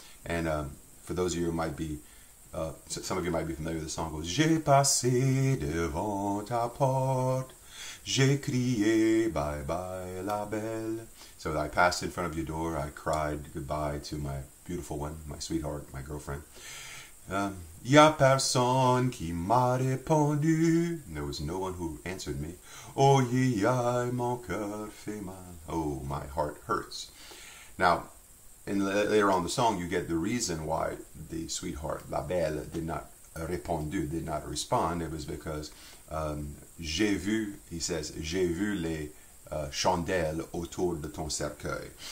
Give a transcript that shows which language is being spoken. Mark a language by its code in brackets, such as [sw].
[en] And for those of you who might be, some of you might be familiar with the song, goes, [fr] J'ai passé devant ta porte, j'ai crié bye bye la belle. [en] So I passed in front of your door, I cried goodbye to my beautiful one, my sweetheart, my girlfriend. [fr] Y'a personne qui m'a répondu. [en] There was no one who answered me. [fr] Oh, y'a mon cœur fait mal. [en] Oh, my heart hurts. Now, in later on in the song, you get the reason why the sweetheart, la belle, did not répondu, did not respond. It was because [fr] j'ai vu, [en] he says, [fr] j'ai vu les chandelles autour de ton cercueil.